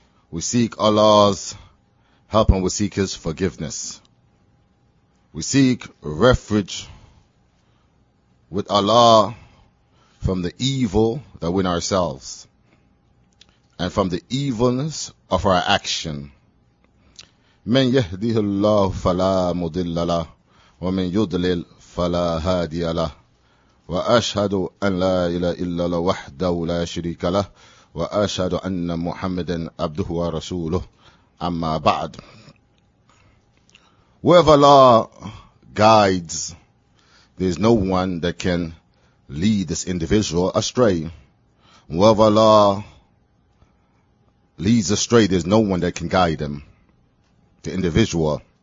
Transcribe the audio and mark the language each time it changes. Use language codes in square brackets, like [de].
[en] We seek Allah's help and we seek His forgiveness. We seek refuge with Allah from the evil that we in ourselves and from the evilness of our action. [ar] من يهديه الله فلا مضل له ومن يضلل فلا هادي له وأشهد أن لا إله إلا الله وحده لا شريك له وأشهد أن محمدا عبده ورسوله أما بعد. [en] Wherever Allah guides, there is no one that can lead this individual astray. Wherever Allah leads astray, there is no one that can guide him, the individual.